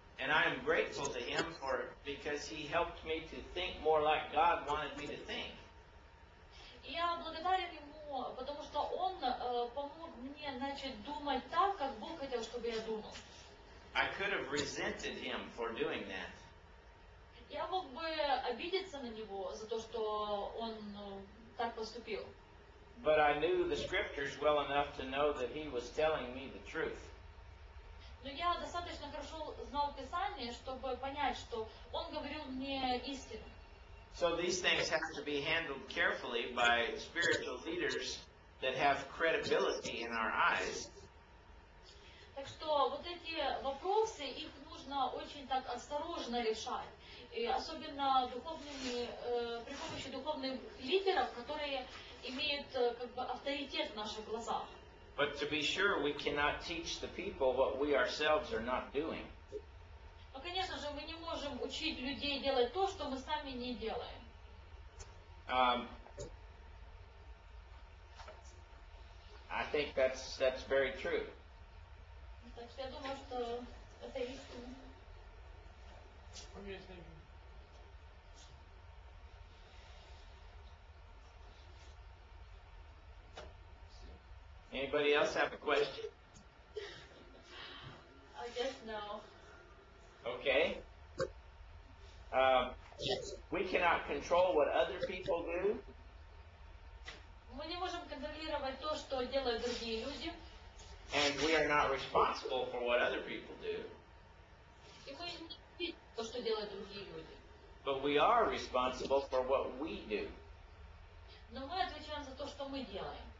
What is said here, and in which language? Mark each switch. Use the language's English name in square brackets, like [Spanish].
[English] And I am grateful to him for it because he helped me to think more like God wanted me to think. [Russian] Я благодарен ему, потому что он помог мне начать думать так, как Бог хотел, чтобы я думал. [English] I could have resented him for doing that. [Russian] Я мог бы обидеться на него за то, что он так поступил. [English] But I knew the scriptures well enough to know that he was telling me the truth. [Russian] Но я достаточно хорошо знал Писание, чтобы понять, что он говорил мне истину. [English] So these things have to be handled carefully by spiritual leaders that have credibility in our eyes. [Russian] Так что вот эти вопросы, их нужно очень так осторожно решать. И особенно духовными, при помощи духовных лидеров, которые имеют как бы авторитет в наших глазах. [English] But to be sure, we cannot teach the people what we ourselves are not doing. [Russian] Но, конечно же, мы не можем учить людей делать то, что мы сами не делаем. [English] I think that's very true. [Russian] Так что я думаю, что это истина. [English] Anybody else have a question? I guess no. Okay. We cannot control what other people do. [Russian] Мы не можем контролировать то, что делают другие люди. [English] And we are not responsible for what other people do. [Russian] И мы не видим то, что делают другие люди. [English] But we are responsible for what we do. [Russian] Но мы отвечаем за то, что мы делаем.